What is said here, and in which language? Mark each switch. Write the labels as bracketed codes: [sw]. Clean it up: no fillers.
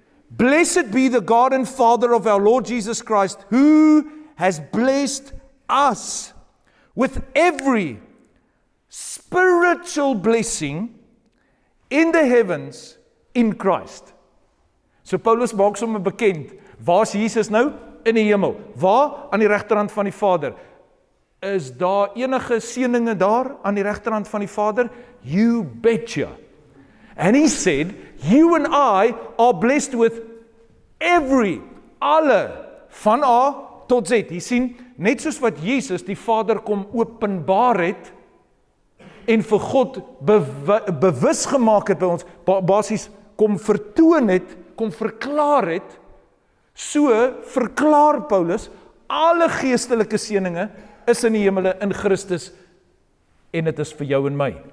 [en] Blessed be the God and Father of our Lord Jesus Christ, who has blessed us with every spiritual blessing in the heavens in Christ. [af] So Paulus maak sommer bekend, waar is Jesus nou? In die hemel. Waar? Aan die regterhand van die Vader. Is daar enige seëninge daar aan die regterhand van die Vader? [en] You betcha. And he said, you and I are blessed with every, [af] alle, van A tot Z. Jy sien, net soos wat Jesus die Vader kom openbaar het, en vir God bewus gemaak het by ons, basies kom vertoon het, kom verklaar het, so verklaar Paulus, alle geestelike seëninge is in die hemele in Christus, en het is vir jou en my.